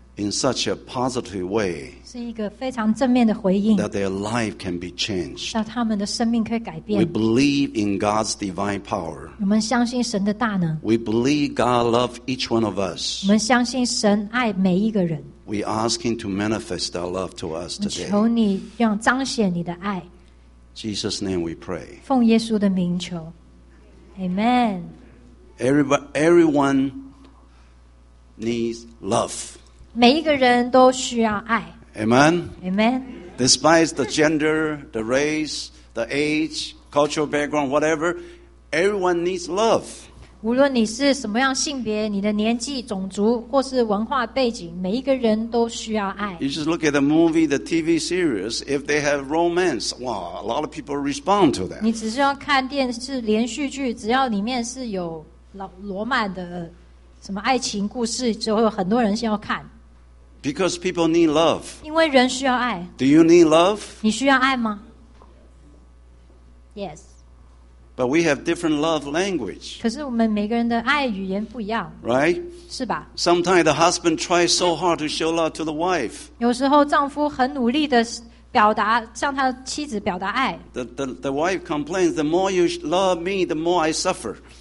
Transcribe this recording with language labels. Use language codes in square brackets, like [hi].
[en] in such a positive way [zh] 是一个非常正面的回应 [en] that their life can be changed [zh] 让他们的生命可以改变 [en] we believe in God's divine power [zh] 我们相信神的大能 [en] we believe God loves each one of us [zh] 我们相信神爱每一个人 [en] we ask him to manifest that love to us today [zh] 求你让彰显你的爱 [en] Jesus' name we pray [zh] 奉耶稣的名求 Amen [en] Everyone needs love. [zh] 每一个人都需要爱。 [en] Amen. Amen. Despite the gender, the race, the age, cultural background, whatever, everyone needs love. [zh] 无论你是什么样性别，你的年纪、种族或是文化背景，每一个人都需要爱。 [en] You just look at the movie, the TV series. If they have romance, wow, a lot of people respond to that. [zh] 你只是要看电视连续剧，只要里面是有。罗曼的什么爱情故事就会有很多人先要看 [en] Because people need love [zh] 因为人需要爱 [en] Do you need love? [zh] 你需要爱吗 Yes [en] But we have different love language [zh] 可是我们每个人的爱语言不一样 [en] Right? [zh] 是吧 [en] Sometimes the husband tries so hard to show love to the wife [zh] 有时候丈夫很努力的表达向他妻子表达爱 [en] the wife complains The more you love me, the more I suffer